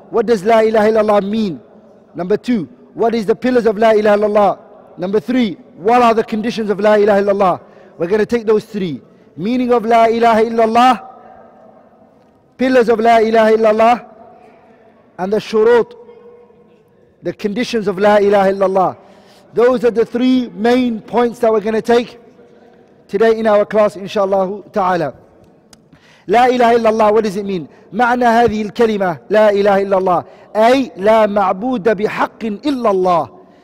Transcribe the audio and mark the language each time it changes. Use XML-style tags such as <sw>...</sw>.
<en>What does لا إله إلا الله mean? Number two, what is the pillars of لا إله إلا الله? Number three, what are the conditions of لا إله إلا الله? We're going to take those three. Meaning of لا إله إلا الله, pillars of لا إله إلا الله, and the شروط, the conditions of لا إله إلا الله. Those are the three main points that we're going to take today in our class, inshallah ta'ala. لا إله إلا الله, what does it mean?</en> <ar>معنى هذه الكلمة لا إله إلا الله, أي لا معبود بحق إلا الله.</ar>